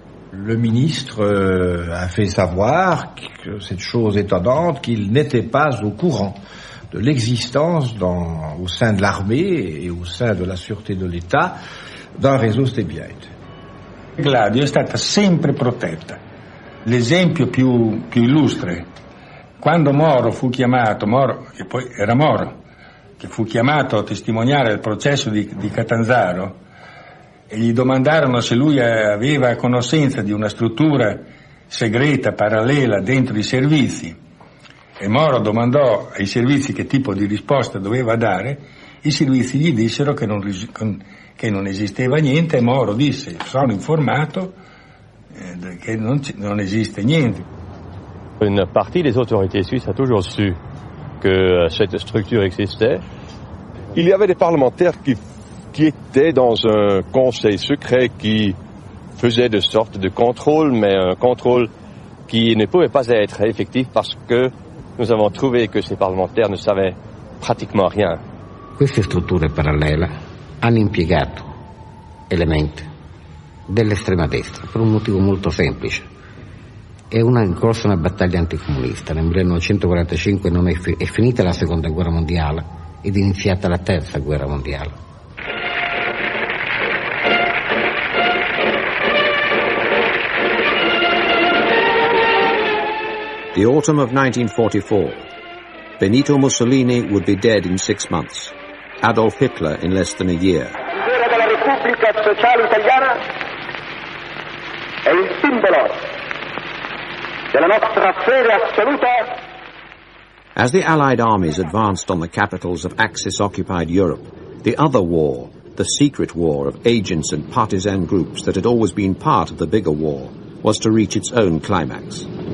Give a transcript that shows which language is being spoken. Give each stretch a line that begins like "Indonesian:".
French: Le ministre a fait savoir que cette chose étonnante, qu'il n'était pas au courant de l'existence au sein de l'armée et au sein de la sûreté de l'État d'un réseau Stebiaid.
Italian: Gladio è stata sempre protetta. L'esempio più illustre, quando Moro fu chiamato, Moro, che poi era Moro, che fu chiamato a testimoniare il processo di Catanzaro, e gli domandarono se lui aveva conoscenza di una struttura segreta, parallela, dentro i servizi, e Moro domandò ai servizi che tipo di risposta doveva dare, i servizi gli dissero che non esisteva niente, e Moro disse, sono informato che non esiste niente.
French: Une partie des autorités suisses a toujours su que cette structure existait. Il y avait des parlementaires qui étaient dans un conseil secret qui faisait de sorte de contrôle, mais un contrôle qui ne pouvait pas être effectif parce que nous avons trouvé que ces parlementaires ne savaient pratiquement rien.
Italian: Queste strutture parallele hanno impiegato elementi dell'estrema destra per un motivo molto semplice. È in corso una battaglia anticomunista. Nel 1945 è finita la seconda guerra mondiale ed è iniziata la terza guerra mondiale.
English: The autumn of 1944. Benito Mussolini would be dead in 6 months. Adolf Hitler in less than a year.
Italian: Bandiera della Repubblica Sociale Italiana è il simbolo della nostra fede assoluta.
English: As the Allied armies advanced on the capitals of Axis-occupied Europe, the other war, the secret war of agents and partisan groups that had always been part of the bigger war, was to reach its own climax.